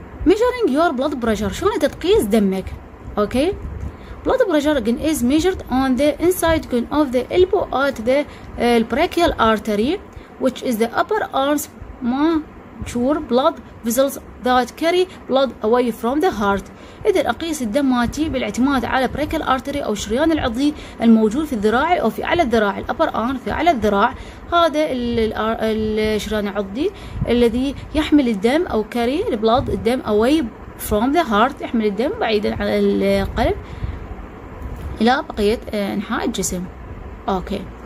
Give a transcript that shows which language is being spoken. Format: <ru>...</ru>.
<en>Measuring your blood pressure،</en> <ar>شلون تقيس دمك؟</ar> <en>Okay. Blood pressure again is measured on the inside of the elbow at the brachial artery, which is the upper arm's mature blood vessels that carry blood away from the heart.</en> <ar>إذا أقيس الدم ماتي بالاعتماد على brachial artery أو الشريان العضلي الموجود في الذراع أو في أعلى الذراع، upper arm في أعلى الذراع، هذا الشريان العضلي الذي يحمل الدم أو</ar> <en>carry the blood</en> <ar>الدم away from the heart، يحمل الدم بعيدا عن القلب إلى بقية أنحاء الجسم. أوكي.</ar>